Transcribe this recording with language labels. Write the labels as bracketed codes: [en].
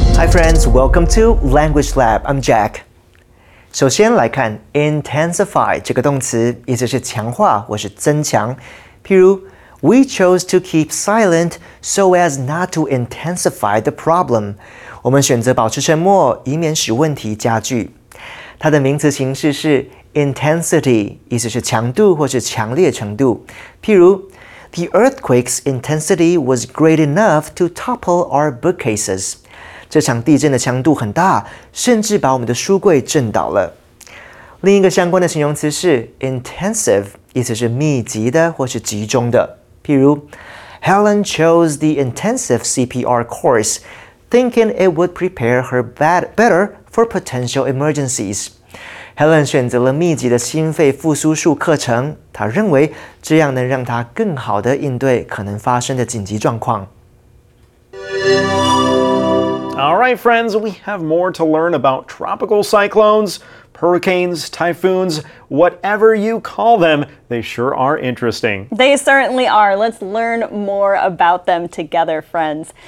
[en] Friends, welcome to Language Lab. I'm Jack. [zh] 首先来看 intensify 这个动词，意思是强化或是增强。譬如 [en] ，We chose to keep silent so as not to intensify the problem. [zh] 我们选择保持沉默，以免使问题加剧。它的名词形式是 intensity， 意思是强度或是强烈程度。譬如 [en] ，The earthquake's intensity was great enough to topple our bookcases. [zh] 这场地震的强度很大，甚至把我们的书柜震倒了。另一个相关的形容词是 intensive， 意思是密集的或是集中的。譬如 [en] ，Helen chose the intensive CPR course, thinking it would prepare her better for potential emergencies. [zh] Helen 选择了密集的心肺复苏术课程，她认为这样能让她更好地应对可能发生的紧急状况。 [en] All right, friends, we have more to learn about tropical cyclones, hurricanes, typhoons, whatever you call them, they sure are interesting. They certainly are. Let's learn more about them together, friends.